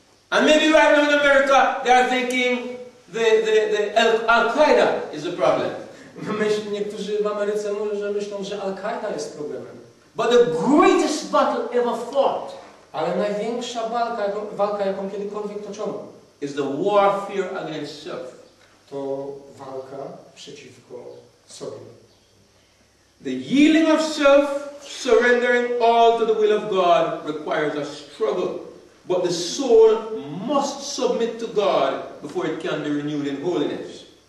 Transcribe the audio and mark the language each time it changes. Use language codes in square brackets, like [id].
[en] And maybe right now in America they are thinking the Al-Qaeda is the problem. [pl] Niektórzy w Ameryce myślą, że Al-Qaeda jest problemem. [en] But the greatest battle ever fought. [pl] Ale największa walka jaką kiedykolwiek toczono. [en] Is the warfare against self. [pl] To walka przeciwko sobie. [en] The yielding of self, surrendering all to the will of God requires a struggle. But the soul must submit to God before it can be renewed in holiness.